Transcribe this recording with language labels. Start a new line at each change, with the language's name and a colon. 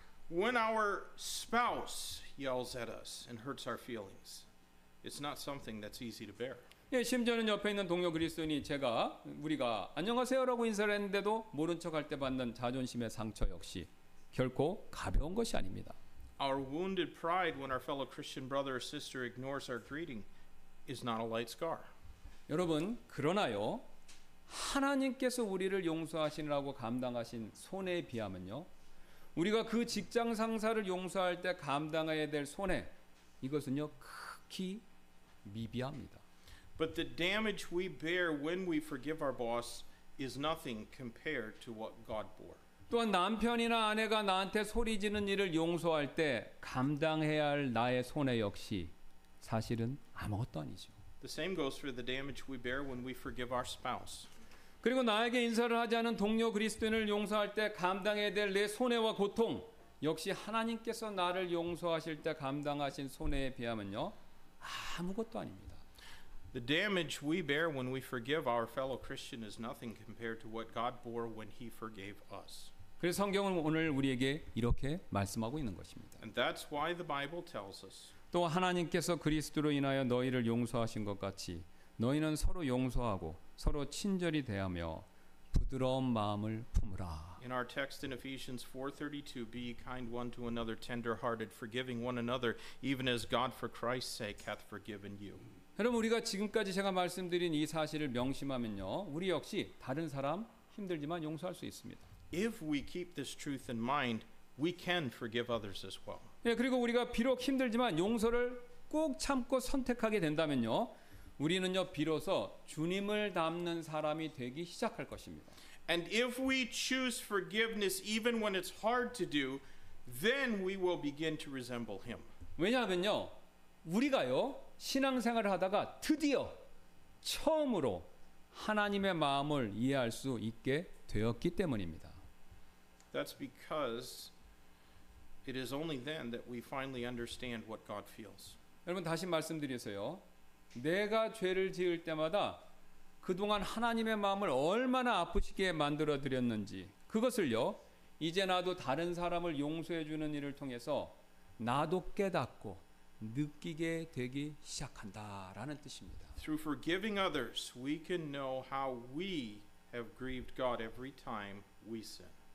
English: When our spouse yells at us and hurts our feelings, it's not something that's easy to bear.
Korean: 예, 심지어는 옆에 있는 동료 그리스도인이 제가 우리가 안녕하세요라고 인사를 했는데도 모른 척할 때 받는 자존심의 상처 역시 결코 가벼운 것이 아닙니다.
English: Our wounded pride when our fellow Christian brother or sister ignores our greeting is not a light scar.
Korean: 여러분, 그러나요, 하나님께서 우리를 용서하시느라고 감당하신 손해에 비하면요, 우리가 그 직장 상사를 용서할 때 감당해야 될 손해 이것은요 극히 미비합니다.
English: But the damage we bear when we forgive our boss is nothing compared to what God bore.
Korean: 또한 남편이나 아내가 나한테 소리 지는 일을 용서할 때 감당해야 할 나의 손해 역시 사실은 아무것도 아니죠.
English: The same goes for the damage we bear when we forgive our spouse.
Korean: 그리고 나에게 인사를 하지 않은 동료 그리스도인을 용서할 때 감당해야 될 내 손해와 고통 역시 하나님께서 나를 용서하실 때 감당하신 손해에 비하면요 아무것도 아닙니다.
English: The damage we bear when we forgive our fellow Christian is nothing compared to what God bore when he forgave us.
Korean: 그래서 성경은 오늘 우리에게 이렇게 말씀하고 있는 것입니다.
English: And that's why the Bible tells us.
Korean: 또 하나님께서 그리스도로 인하여 너희를 용서하신 것 같이 너희는 서로 용서하고 서로 친절히 대하며 부드러운 마음을 품으라.
English: In our text in Ephesians 4:32, be kind one to another, tender-hearted, forgiving one another, even as God for Christ's sake hath forgiven you.
Korean: 여러분 우리가 지금까지 제가 말씀드린 이 사실을 명심하면요, 우리 역시 다른 사람 힘들지만 용서할 수 있습니다.
English: If we keep this truth in mind, we can forgive others as well.
Korean: 예, 그리고 우리가 비록 힘들지만 용서를 꼭 참고 선택하게 된다면요, 우리는요 비로소 주님을 닮는 사람이 되기 시작할 것입니다.
English: And if we choose forgiveness even when it's hard to do, then we will begin to resemble Him.
Korean: 왜냐하면요, 우리가요 신앙생활을 하다가 드디어 처음으로 하나님의 마음을 이해할 수 있게 되었기 때문입니다.
English: That's because it is only then that we finally understand what God feels.
Korean: 여러분 다시 말씀드리세요. 내가 죄를 지을 때마다 그동안 하나님의 마음을 얼마나 아프시게 만들어 드렸는지 그것을요 이제 나도 다른 사람을 용서해 주는 일을 통해서 나도 깨닫고 느끼게 되기 시작한다라는 뜻입니다.
English: Through forgiving others, we can know how we have grieved God every time we sin.